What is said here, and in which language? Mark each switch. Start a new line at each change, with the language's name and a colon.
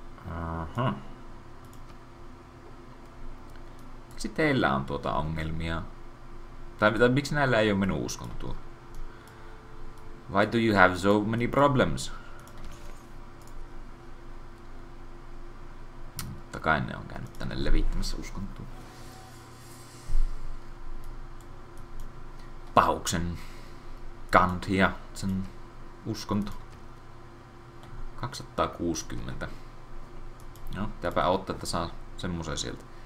Finnish: Aha. Miksi teillä on tuota ongelmia? Tai miksi näillä ei ole minun uskontoa?
English: Why do you have so many problems?
Finnish: Mutta kai ne on käynyt tänne levittämässä uskontoa. Pahuksen Gandhi ja sen uskonto. 260. No, pitääpä odottaa, että saa semmoseen sieltä.